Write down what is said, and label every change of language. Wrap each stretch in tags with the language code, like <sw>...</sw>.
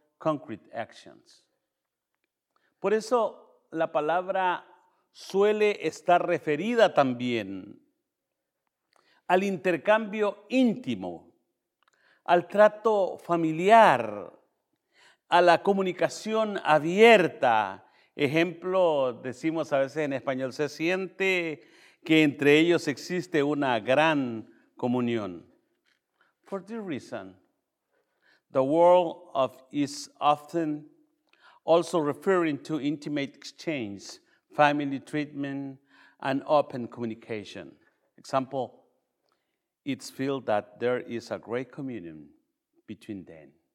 <en>concrete actions.</en> <es>Por eso la palabra suele estar referida también al intercambio íntimo, al trato familiar, a la comunicación abierta. Ejemplo, decimos a veces en español, se siente que entre ellos existe una gran comunión.</es> <en>For this reason, the world of is often also referring to intimate exchange, family treatment, and open communication. Example, it's felt that there is a great communion between them.</en>